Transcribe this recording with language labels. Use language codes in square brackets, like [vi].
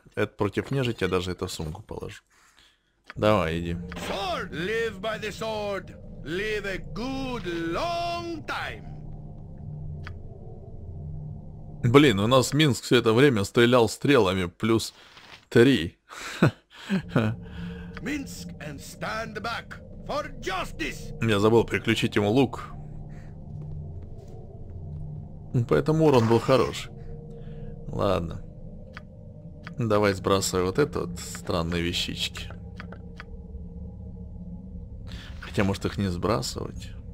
[ru] Это против нежити, я даже это в сумку положу. Давай, иди. [en] Sword! Live by the sword! Live a good long time! [ru] Блин, у нас Минск все это время стрелял стрелами плюс 3. [en] Минск, and stand back for justice! [ru] Я забыл приключить ему лук. Поэтому урон был хорош. Ладно. Давай сбрасывай вот эти вот странные вещички. Хотя, может, их не сбрасывать.